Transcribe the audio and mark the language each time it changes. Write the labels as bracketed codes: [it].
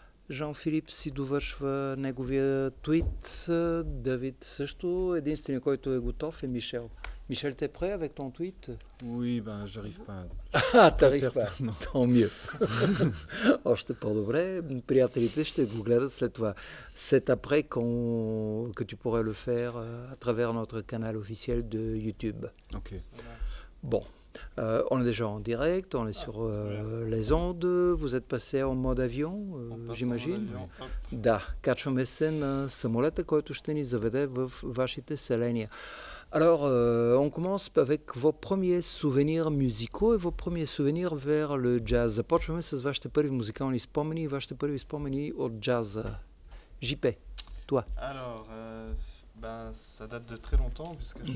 [bg] Жан-Филип си довършва неговия твит. Давид също, единственият, който е готов, е Мишел. [fr] Мишел, ти е прет avec ton твит? Oui, ben, j'arrive pas. А, t'arrive pas. Tant mieux. [bg] Още по-добре. Приятелите ще го гледат след това. [fr] C'est après que tu pourrais le faire à travers notre canal officiel de YouTube. OK. Bon. On est déjà en direct, on est sur les ondes. Vous êtes passé en mode avion, j'imagine. [bg] Да, качваме се на самолета, който ще ни заведе в вашите селения. [fr] Alors, on commence avec vos premiers souvenirs musicaux et vos premiers souvenirs vers le jazz. [bg] Започваме с вашите първи музикални спомени и вашите първи спомени от джаз. [fr] JP, toi. Alors, ça date de très longtemps, puisque